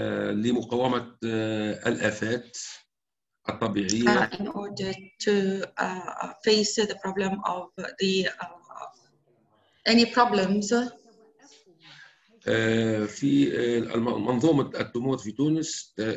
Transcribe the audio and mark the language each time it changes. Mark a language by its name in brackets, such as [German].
[Arabic] لمقاومة الآفات الطبيعية. [English] In order to face the problem of the any problems. [Arabic] في منظومة التمور في تونس.